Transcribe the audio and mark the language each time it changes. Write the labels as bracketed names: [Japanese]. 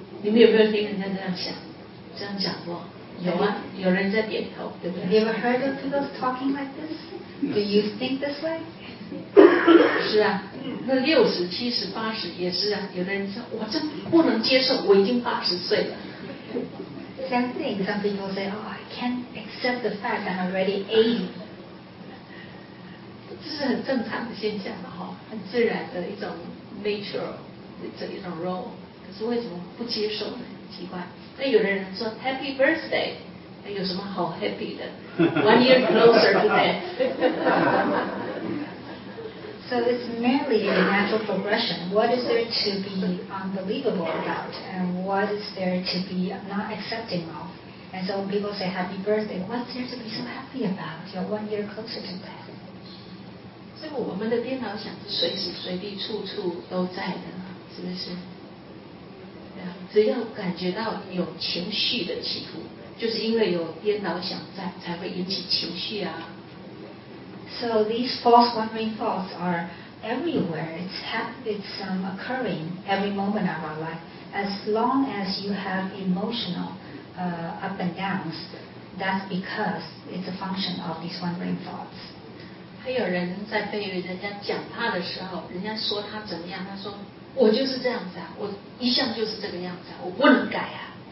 [Chinese] 你们有没有听人家这样想？这样讲过？有啊，有人在点头，对不对？ [English] Have you ever heard of people talking like this? Do you think this way? [Chinese] 是啊，那六十、七十、八十也是啊。有的人说，我真不能接受，我已经八十岁了。 [English] Same thing. Some people say, "Oh, I can't accept the fact I'm already 80." [Chinese] 这是很正常的现象嘛，哈，很自然的一种 natural 的这一种 role。可是为什么不接受呢？奇怪。那有的人说 Happy Birthday， 那有什么好 happy 的 ？ [English] One year closer to death 。So it's merely a natural progression. What is there to be unbelievable about, and what is there to be not accepting of? And so when people say Happy Birthday, what's there to be so happy about? You're one year closer to death. [Chinese] 所以我们的电脑想是随时随地处处都在的，是不是？只要感觉到有情绪的起伏，就是因为有颠倒想在，才会引起情绪啊。 [English] So these false wandering thoughts are everywhere. It's occurring every moment of our life. As long as you have emotional up and downs, that's because it's a function of these wandering thoughts. [Chinese] 还有人在被人家讲他的时候，人家说他怎么样，他说。我就是这样子啊，我一向就是这个样子啊，我不能改啊。